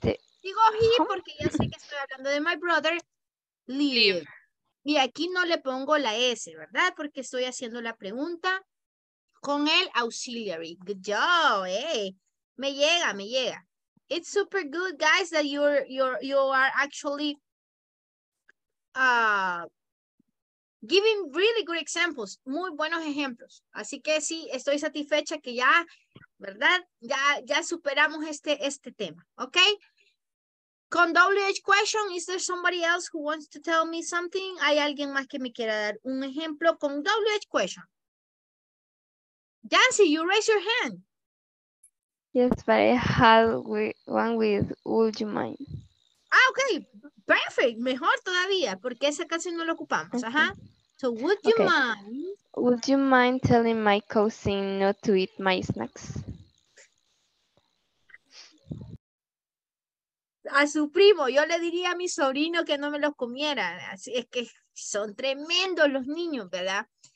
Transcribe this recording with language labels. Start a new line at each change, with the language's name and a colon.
Spanish: Digo he porque ya sé que estoy hablando de
English: my brother.
Spanish: Leave. Y aquí no le pongo la S, ¿verdad? Porque estoy haciendo la pregunta con el auxiliary.
English: Good job, hey.
Spanish: Me llega.
English: It's super good, guys, that you are actually giving really good examples.
Spanish: Muy buenos ejemplos. Así que sí, estoy satisfecha que ya, ¿verdad? Ya superamos este tema, ¿ok?
English: Con WH question, is there somebody else who wants to tell me something?
Spanish: ¿Hay alguien más que me quiera dar un ejemplo con WH question?
English: Yancy, you raise your hand. Yes, but I have one with would you mind? Ah, okay. Perfect.
Spanish: Mejor todavía, porque esa casi no la ocupamos. Ajá. So,
English: would you mind telling my cousin not to eat my snacks?
Spanish: A su primo, yo le diría a mi sobrino que no me los comiera. Así es que son tremendos los niños, ¿verdad?